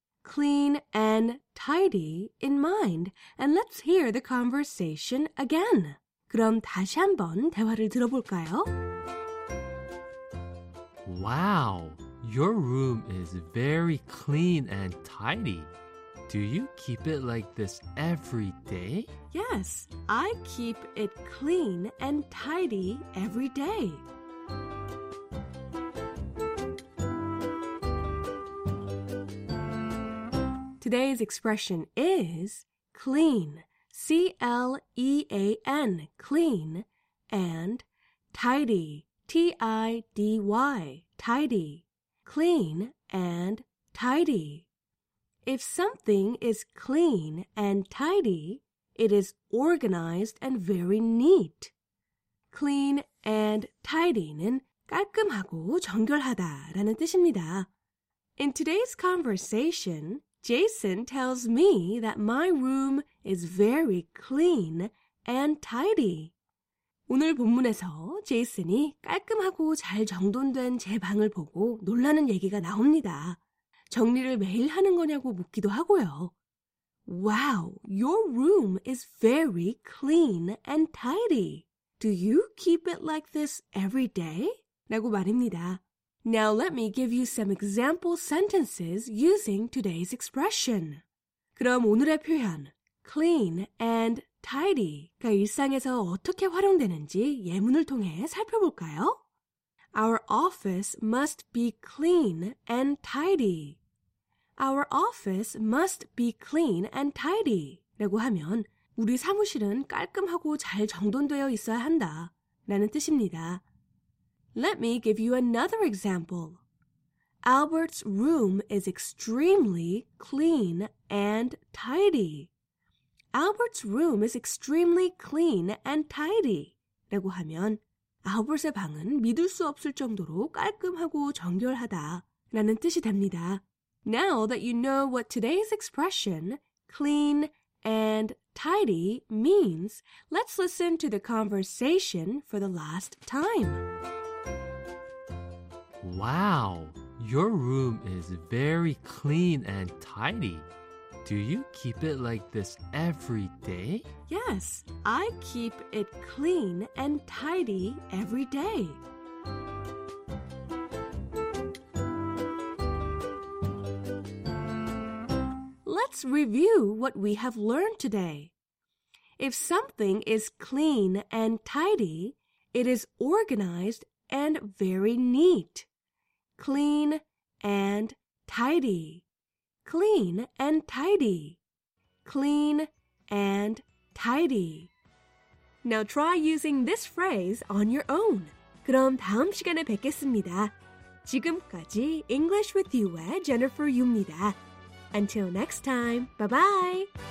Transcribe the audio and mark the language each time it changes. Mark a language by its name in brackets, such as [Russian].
[English] Clean and tidy in mind, and let's hear the conversation again. [Korean] 그럼 다시 한번 대화를 들어볼까요? [English] Wow, your room is very clean and tidy. Do you keep it like this every day? Yes, I keep it clean and tidy every day. [Korean] 오늘의 [English] expression is clean, C-L-E-A-N, clean, and tidy, T-I-D-Y, tidy, clean and tidy. If something is clean and tidy, it is organized and very neat. Clean and tidy [Korean] 는 깔끔하고 정결하다라는 뜻입니다. [English] In today's conversation, Jason tells me that my room is very clean and tidy. [Korean] 오늘 본문에서 제이슨이 깔끔하고 잘 정돈된 제 방을 보고 놀라는 얘기가 나옵니다. 정리를 매일 하는 거냐고 묻기도 하고요. [English] Wow, your room is very clean and tidy. Do you keep it like this every day? [Korean] 라고 말입니다. [English] Now let me give you some example sentences using today's expression. [Korean] 그럼 오늘의 표현, [English] clean and tidy [Korean] 가 일상에서 어떻게 활용되는지 예문을 통해 살펴볼까요? [English] Our office must be clean and tidy. Our office must be clean and tidy. [Korean] 라고 하면 우리 사무실은 깔끔하고 잘 정돈되어 있어야 한다 라는 뜻입니다. [English] Let me give you another example. Albert's room is extremely clean and tidy. Albert's room is extremely clean and tidy. [Korean] 라고 하면 알버트의 방은 믿을 수 없을 정도로 깔끔하고 정결하다 라는 뜻이 됩니다. [English] Now that you know what today's expression, clean and tidy, means, let's listen to the conversation for the last time. Wow, your room is very clean and tidy. Do you keep it like this every day? Yes, I keep it clean and tidy every day. 'Let's review what we have learned today. If something is clean and tidy, it is organized and very neat. Clean and tidy. Clean and tidy. Clean and tidy. Now try using this phrase on your own. [Korean] 그럼 다음 시간에 뵙겠습니다. 지금까지 English with You의 Jennifer Yu입니다. [English] Until next time, bye-bye!